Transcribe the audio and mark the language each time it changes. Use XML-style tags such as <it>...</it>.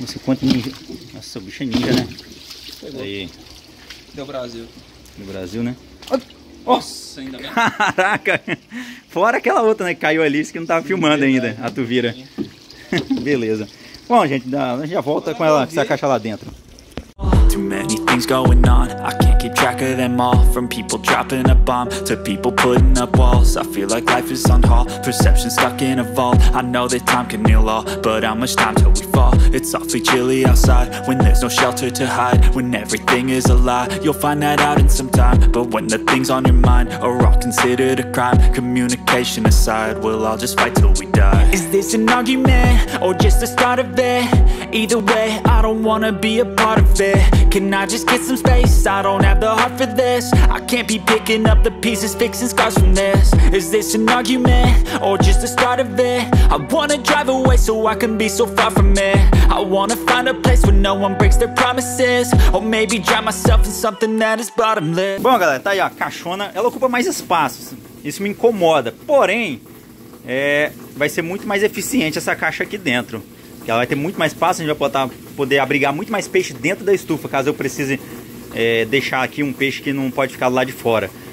<pt>Nossa, quanto ninja. Nossa, o bicho é ninja, né? Pegou. Aí. Deu Brasil. Deu Brasil, né? Nossa, ainda bem. Caraca! Fora aquela outra, né, que caiu ali, isso que não tava filmando ainda, a tuvira. Beleza. Bom, gente, a gente já volta com ela, com essa caixa lá dentro.</pt> <en>Too many things going on, I can't keep track of them all. From people dropping a bomb, to people putting up walls. I feel like life is on hold, perception stuck in a vault. I know that time can heal all, but how much time till we fall? It's awfully chilly outside, when there's no shelter to hide. When everything is a lie, you'll find that out in some time. But when the things on your mind are all considered a crime. Communication aside, we'll all just fight till we die. Is this an argument, or just the start of it? Either way, I don't wanna be a part of it. Can I just get some space? I don't have the heart for this. I can't be picking up the pieces, fixing scars from this. Is this an argument or just the start of it? I wanna drive away so I can be so far from it. I wanna find a place where no one breaks their promises. Or maybe drive myself in something that is bottomless.</en> <pt>Bom, galera, tá aí a caixona. Ela ocupa mais espaços. Isso me incomoda. Porém, vai ser muito mais eficiente essa caixa aqui dentro. Que ela vai ter muito mais espaço, a gente vai poder abrigar muito mais peixe dentro da estufa, caso eu precise deixar aqui um peixe que não pode ficar lá de fora.</pt>